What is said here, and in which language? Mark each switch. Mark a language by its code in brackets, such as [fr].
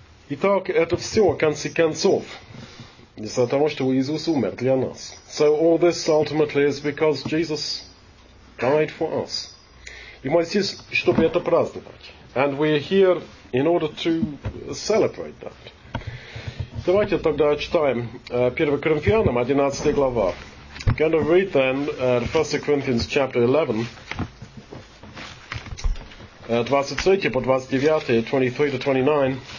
[ru] Итак, это все, в конце концов, из-за того, что Иисус умер для нас. [en] So all this ultimately is because Jesus died for us. [ru] И мы здесь, чтобы это праздновать. [en] And we are here in order to celebrate that. [ru] Давайте тогда читаем 1 Коринфянам, 11 глава. [en] We're going to read then 1 Corinthians chapter 11, 23 по 29, 23 to 29.